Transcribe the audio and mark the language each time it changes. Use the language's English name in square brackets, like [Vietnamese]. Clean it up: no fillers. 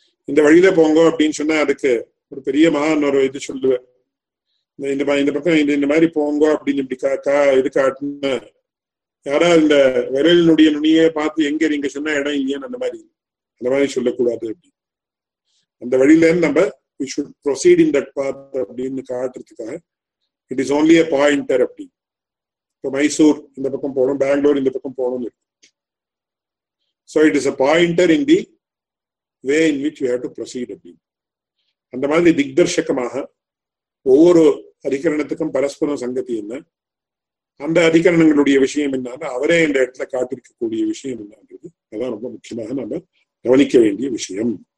[Tamil] இந்த வழியில போங்கோ அப்படின்னு சொன்னா அதுக்கு ஒரு பெரிய மகான் ஒரு இது சொல்லுவேன், இந்த இந்த பக்கம் இந்த இந்த மாதிரி போங்கோ அப்படின்னு இப்படி கா இது காட்டுன்னு யாராவது இந்த விரலினுடைய நுனியை பார்த்து எங்க இருங்க சொன்னா இடம் இல்லையான்னு அந்த மாதிரி அந்த மாதிரி சொல்லக்கூடாது அப்படின்னு. அந்த வழியில நம்ம [English] we should proceed in that path [Tamil] அப்படின்னு காட்டுறதுக்காக [English] it is only a pointer [Tamil] அப்படி. இப்போ மைசூர் இந்த பக்கம் போகணும், பெங்களூர் இந்த பக்கம் போகணும்னு இருக்கு. [English] So it is a pointer in the way in which we have to proceed. [Tamil] And the madri digdarshakamaha over adhikaranathukum parasparam sangathi enna அந்த அதிகரணங்களுடைய விஷயம் என்ன, அவரே இந்த இடத்துல காட்டிருக்கக்கூடிய விஷயம் என்ன, அதான் ரொம்ப முக்கியமாக நம்ம கவனிக்க வேண்டிய விஷயம்.